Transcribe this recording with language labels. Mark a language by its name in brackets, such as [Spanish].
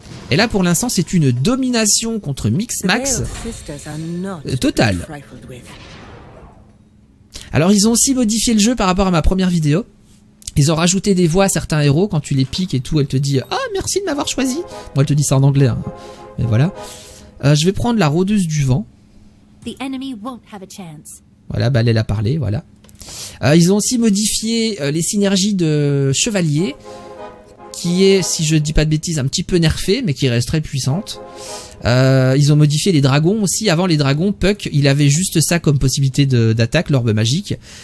[French] Et là pour l'instant, c'est une domination contre Mixmax totale. Alors ils ont aussi modifié le jeu par rapport à ma première vidéo. Ils ont rajouté des voix à certains héros. Quand tu les piques et tout, elle te dit « Ah, oh, merci de m'avoir choisi !» Moi, elle te dit ça en anglais. Hein. Mais voilà. Je vais prendre la rôdeuse du vent. [English] The enemy won't have a chance. [French] Voilà, bah, elle a parlé, voilà. Ils ont aussi modifié les synergies de chevalier, qui est, si je dis pas de bêtises, un petit peu nerfée, mais qui reste très puissante. Ils ont modifié les dragons aussi. Avant, les dragons, Puck, il avait juste ça comme possibilité d'attaque, l'orbe magique.